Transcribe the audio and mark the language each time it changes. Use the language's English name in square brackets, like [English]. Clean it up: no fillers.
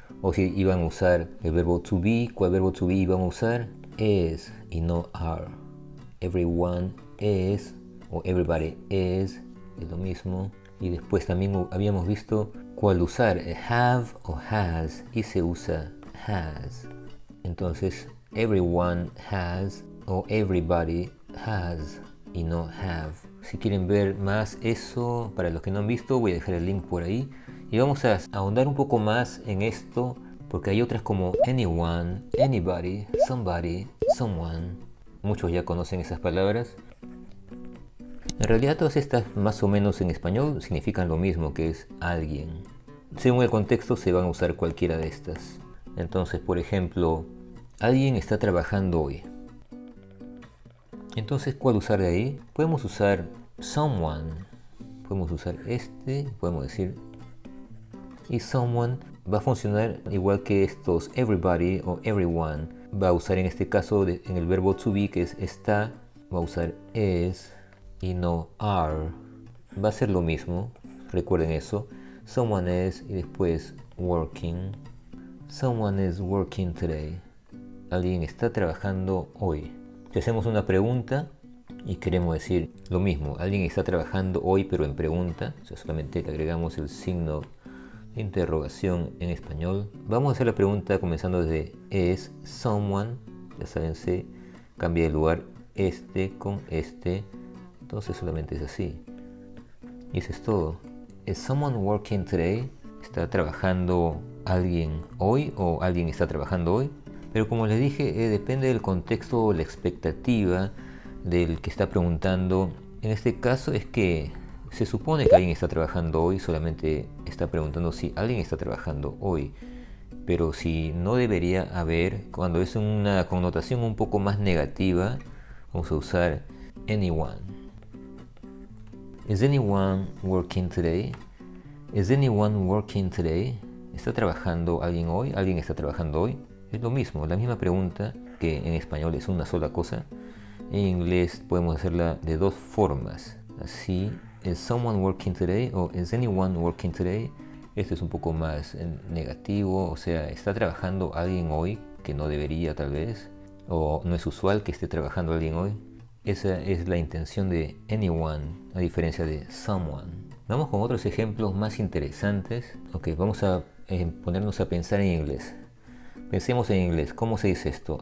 [Spanish] O si iban a usar el verbo to be, ¿cuál verbo to be iban a usar? Is y no are. [English] Everyone is [Spanish] o [English] everybody is [Spanish] lo mismo. Y después también habíamos visto cuál usar, have o has, y se usa has. Entonces, [English] everyone has o everybody has [Spanish] y no have. Si quieren ver más eso, para los que no han visto, voy a dejar el link por ahí. Y vamos a ahondar un poco más en esto, porque hay otras como anyone, anybody, somebody, someone. Muchos ya conocen esas palabras. En realidad todas estas más o menos en español significan lo mismo, que es alguien. Según el contexto se van a usar cualquiera de estas. Entonces, por ejemplo, alguien está trabajando hoy. Entonces, ¿cuál usar de ahí? Podemos usar someone. Podemos usar este, podemos decir. Y someone va a funcionar igual que estos everybody o everyone. Va a usar en este caso en el verbo to be, que es está, va a usar is. Y no are. Va a ser lo mismo. Recuerden eso. [English] Someone is [Spanish] y después [English] working. Someone is working today. [Spanish] Alguien está trabajando hoy. Si hacemos una pregunta y queremos decir lo mismo. Alguien está trabajando hoy, pero en pregunta. O sea, solamente le agregamos el signo de interrogación en español. Vamos a hacer la pregunta comenzando desde ¿Es someone? Ya saben, se cambia de lugar este con este. Entonces solamente es así. Y eso es todo. [English] ¿Is someone working today? [Spanish] ¿Está trabajando alguien hoy o alguien está trabajando hoy? Pero como les dije, depende del contexto o la expectativa del que está preguntando. En este caso es que se supone que alguien está trabajando hoy, solamente está preguntando si alguien está trabajando hoy. Pero si no debería haber, cuando es una connotación un poco más negativa, vamos a usar anyone. [English] Is anyone working today? Is anyone working today? [Spanish] ¿Está trabajando alguien hoy? ¿Alguien está trabajando hoy? Es lo mismo, la misma pregunta que en español es una sola cosa. En inglés podemos hacerla de dos formas. Así, [English] is someone working today? [Spanish] ¿O [English] is anyone working today? [Spanish] Este es un poco más negativo, o sea, ¿está trabajando alguien hoy que no debería tal vez? ¿O no es usual que esté trabajando alguien hoy? Esa es la intención de anyone, a diferencia de someone. Vamos con otros ejemplos más interesantes. Ok, vamos a ponernos a pensar en inglés. Pensemos en inglés. ¿Cómo se dice esto?